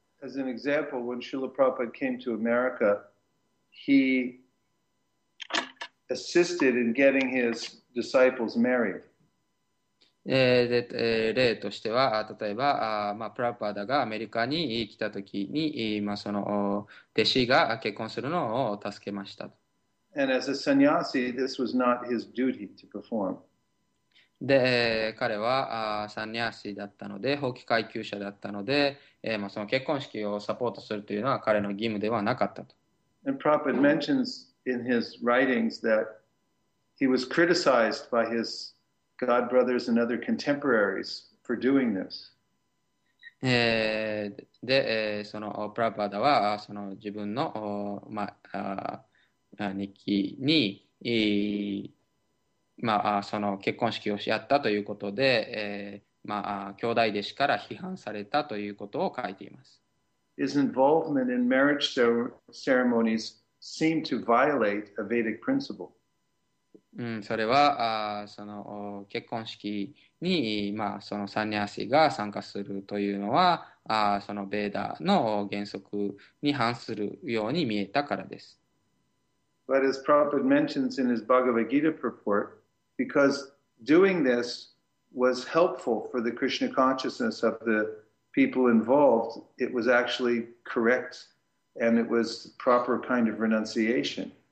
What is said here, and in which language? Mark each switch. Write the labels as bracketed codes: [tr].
[en] As an example, when Srila Prabhupada came to America, he assisted in getting his disciples married. [ja] 例としては、例えば、まあ、プラパダがアメリカに来たときに、まあ、その弟子が結婚するのを助けましたと。 [en] And as a sannyasi, this was not his duty to perform. [ja] で、彼はサンニャーシだったので、法規階級者だったので、まあ、その結婚式をサポートするというのは彼の義務ではなかったと。 [en] And Prabhupada mentions in his writings that he was criticized by hisGod brothers and other contemporaries for doing this. [ja] で、そのプラパダはその自分の、まあ、日記に、まあ、その結婚式をやったということで、まあ、兄弟弟子から批判されたということを書いています。 [en] His involvement in marriage ceremonies seemed to violate a Vedic principle. [ja] うん、それはその結婚式に、まあ、そのサンニャーシが参加するというのはそのベーダの原則に反するように見えたからです。 [en] But as Prabhupada mentions in his Bhagavad Gita purport, because doing this was helpful for the Krishna consciousness of the people involved, it was actually correct and it was proper kind of renunciation.